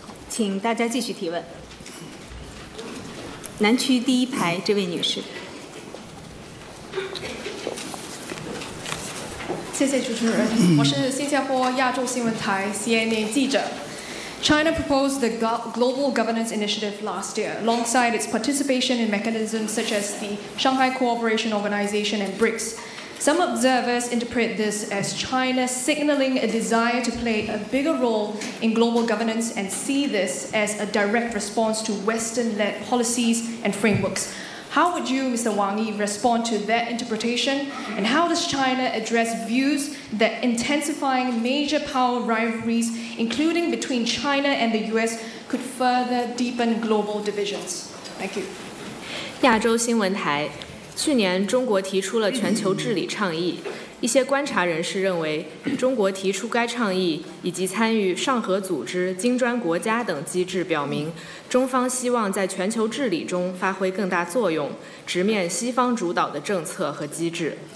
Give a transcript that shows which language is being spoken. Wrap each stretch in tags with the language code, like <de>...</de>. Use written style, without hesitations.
<zh>请大家继续提问。南区第一排这位女士。谢谢主持人，我是新加坡亚洲新闻台 CNA 记者。</zh> <en>China proposed the Global Governance Initiative last year, alongside its participation in mechanisms such as the Shanghai Cooperation Organization and BRICS. Some observers interpret this as China signaling a desire to play a bigger role in global governance and see this as a direct response to Western-led policies and frameworks. How would you, Mr. Wang Yi, respond to that interpretation? And how does China address views that intensifying major power rivalries, including between China and the U.S., could further deepen global divisions? Thank you.</en> <zh>亚洲新闻台，去年中国提出了全球治理倡议。一些观察人士认为，中国提出该倡议以及参与上合组织、金砖国家等机制，表明中方希望在全球治理中发挥更大作用，直面西方主导的政策和机制。</zh>